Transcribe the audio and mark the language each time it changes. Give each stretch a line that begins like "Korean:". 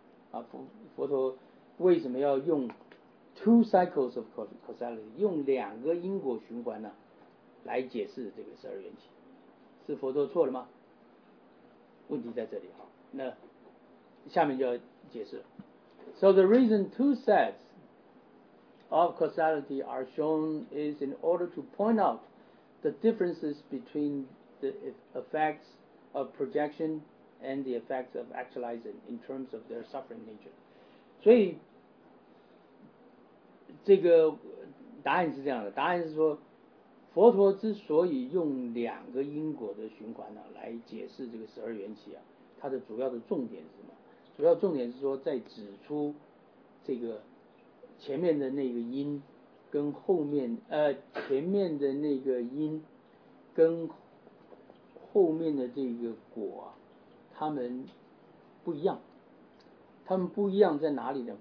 Chinese: 啊，佛陀为什么要用 two cycles of causality，用两个因果循环呢、啊，来解释这个十二缘起？是佛陀错了吗？问题在这里哈，那下面就要解释了。
English: So the reason two sets。 of causality are shown is in order to point out the differences between the effects of projection and the effects of actualizing in terms of their suffering nature. 所以这个
Chinese: 答案是这样的，答案是说佛陀之所以用两个因果的循环、啊、来解释这个十二缘起、啊、它的主要的重点是什么，主要重点是说在指出这个前面的那个因跟后面前面的那个因跟后面的这个果他们不一样，他们不一样在哪里呢？